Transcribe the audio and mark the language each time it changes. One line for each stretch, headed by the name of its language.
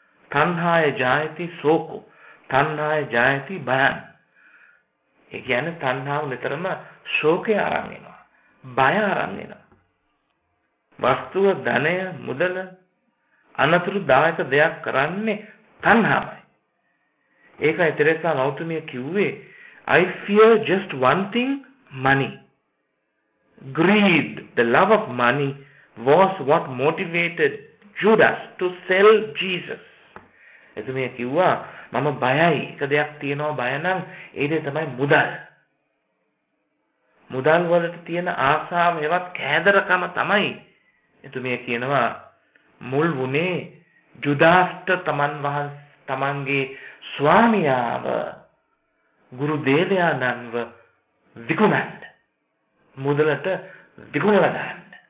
Pali: තණ්හාය ජායති සෝකෝ, තණ්හාය ජායති භයං.
Sinhala: ඒ කියන්නේ තණ්හාව නිතරම ශෝකය අරන් එනවා, බය අරන් එනවා. වස්තුව, ධනය, මුදල අනතුරුදායක දෙයක් කරන්නේ තණ්හාවයි. ඒකයි තෙරෙසා ගෞතමිය කිව්වේ
English: I fear just one thing, money. Greed, the love of money was what motivated Judas to sell Jesus.
Sinhala: එතුමිය කිව්වා මම බයයි, එක දෙයක් තියෙනවා බය නම් ඒ දේ තමයි මුදල්. මුදල් වලට තියෙන ආසාව හෙවත් කෑදරකම තමයි එතුමිය කියනවා මුල් වුණේ ජුදාස්ට තමන්ගේ ස්වාමියාව ගුරු දේවයානන්ව විකුණන්න, මුදලට විකුණලා දාන්න.